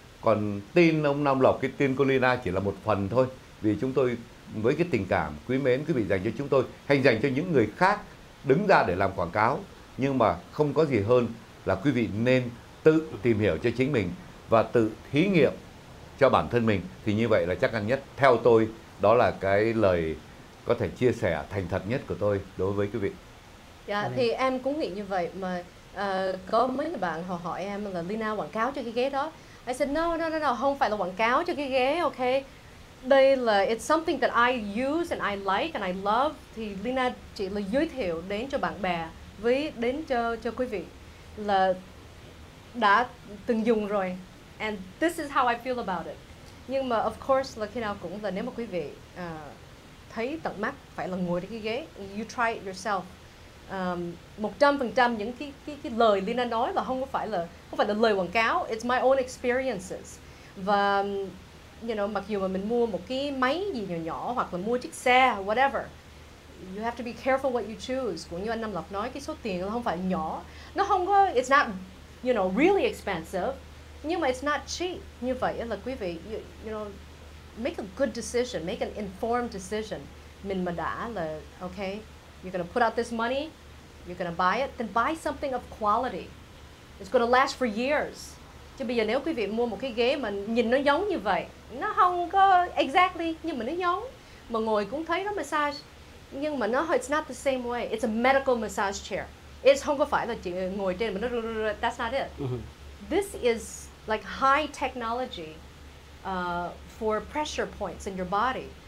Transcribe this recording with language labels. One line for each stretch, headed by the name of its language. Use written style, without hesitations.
Vietnamese: Còn tin ông Nam Lộc, cái tin cô Lina chỉ là một phần thôi, vì chúng tôi với cái tình cảm quý mến quý vị dành cho chúng tôi hay dành cho những người khác đứng ra để làm quảng cáo, nhưng mà không có gì hơn là quý vị nên tự tìm hiểu cho chính mình và tự thí nghiệm cho bản thân mình, thì như vậy là chắc chắn nhất. Theo tôi, đó là cái lời có thể chia sẻ thành thật nhất của tôi đối với quý vị. Dạ, thì em cũng nghĩ như vậy, mà Có mấy người bạn họ hỏi em là Lina quảng cáo cho cái ghế đó.
English: I said no,
Vietnamese: không phải là quảng cáo cho cái ghế, okay. Đây là
English: it's something that I use and I like and I love.
Vietnamese: Thì Lina chỉ là giới thiệu đến cho bạn bè với đến cho quý vị là đã từng dùng rồi.
English: And this is how I feel about it.
Vietnamese: Nhưng mà of course là khi nào cũng là nếu mà quý vị thấy tận mắt phải là ngồi trên cái ghế,
English: you try it yourself.
Vietnamese: 100% những cái lời Lina nói là không phải là lời quảng cáo.
English: It's my own experiences.
Vietnamese: Và you know, mặc dù mà mình mua một cái máy gì nhỏ nhỏ hoặc là mua chiếc xe whatever,
English: you have to be careful what you choose.
Vietnamese: Cũng như anh Nam Lộc nói, cái số tiền nó không phải nhỏ, nó không có,
English: it's not, you know, really expensive,
Vietnamese: nhưng mà
English: it's not cheap.
Vietnamese: Như vậy là quý vị,
English: you know, make a good decision, make an informed decision.
Vietnamese: Mình mà đã là
English: okay, you're gonna put out this money, you're gonna buy it, then buy something of quality. It's gonna last for years.
Vietnamese: Chứ bây giờ nếu quý vị mua một cái ghế mà nhìn nó giống như vậy, nó không có exactly, nhưng mà nó giống, mà ngồi cũng thấy nó massage, nhưng mà nó,
English: it's not the same way. It's a medical massage chair. It's
Vietnamese: không có phải là chỉ ngồi trên mà nó,
English: that's not it. This is like high technology for pressure points in your body.